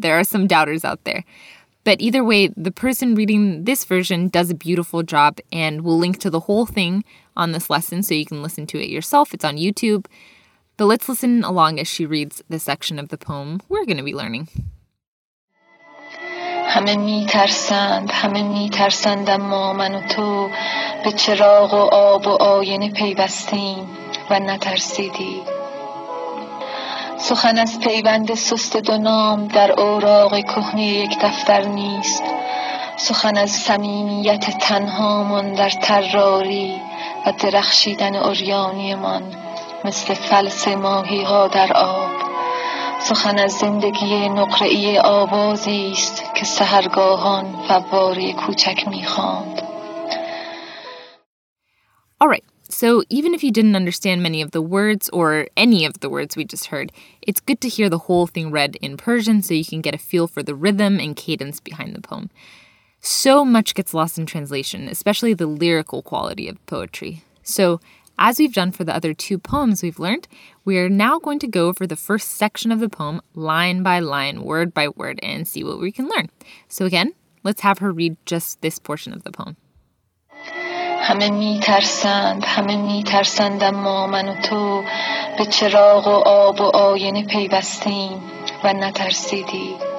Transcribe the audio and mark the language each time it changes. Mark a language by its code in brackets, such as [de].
[en] There are some doubters out there. But either way, the person reading this version does a beautiful job, and we'll link to the whole thing on this lesson so you can listen to it yourself. It's on YouTube. But let's listen along as she reads the section of the poem we're going to be learning. [fa] همه میترسند، همه میترسند، اما من و تو به چراغ و آب و آینه پیوستیم و نترسیدی. سخن از پیوند سست دو نام در اوراق کهنه یک دفتر نیست. سخن از صمیمیت تنهامان در طراری و درخشیدن عریانیمان مثل فلس ماهی ها در آب. سخن از زندگی نقره‌ای آوازی است که سحرگاهان فواره کوچک می‌خواند. [en] All right. So even if you didn't understand many of the words or any of the words we just heard, it's good to hear the whole thing read in Persian so you can get a feel for the rhythm and cadence behind the poem. So much gets lost in translation, especially the lyrical quality of poetry. So as we've done for the other two poems we've learned, we are now going to go over the first section of the poem, line by line, word by word, and see what we can learn. So again, let's have her read just this portion of the poem. [fa] همه میترسند، همه میترسند، اما من و تو به چراغ و آب و آینه پیوستیم و نترسیدی.